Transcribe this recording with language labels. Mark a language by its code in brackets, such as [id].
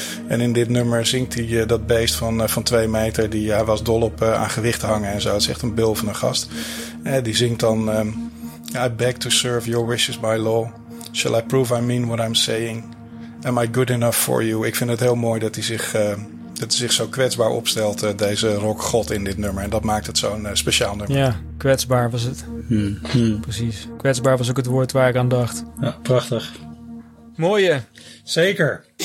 [nl] En in dit nummer zingt hij dat beest van 2 meter. Hij was dol op aan gewicht hangen en zo. Het is echt een bul van een gast. Die zingt dan, [en] I beg to serve your wishes by law. Shall I prove I mean what I'm saying? Am I good enough for you? [nl] Ik vind het heel mooi dat hij zich zo kwetsbaar opstelt, deze rockgod in dit nummer. En dat maakt het zo'n speciaal nummer. Ja, kwetsbaar was het. Precies. Kwetsbaar was ook het woord waar ik aan dacht. Ja, prachtig. Mooie. Zeker.